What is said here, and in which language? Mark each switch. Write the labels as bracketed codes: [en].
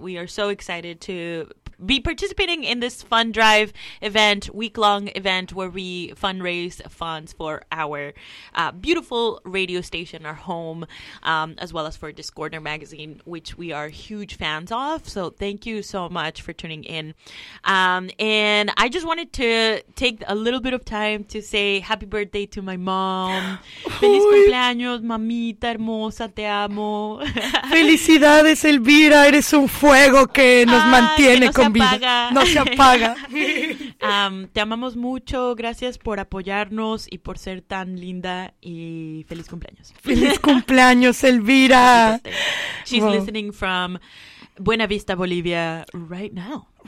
[en] We are so excited to be participating in this fun drive event, week-long event, where we fundraise funds for our beautiful radio station, our home, as well as for Discordner magazine, which we are huge fans of. So thank you so much for tuning in. And I just wanted to take a little bit of time to say happy birthday to my mom. [es] Feliz cumpleaños, mamita hermosa, te amo. Felicidades, Elvira. Eres un fuego que nos mantiene que no se apaga. No se apaga. Te amamos mucho. Gracias por apoyarnos y por ser tan linda. Y feliz cumpleaños. Feliz cumpleaños, Elvira. [en] She's listening from Buena Vista, Bolivia, right now.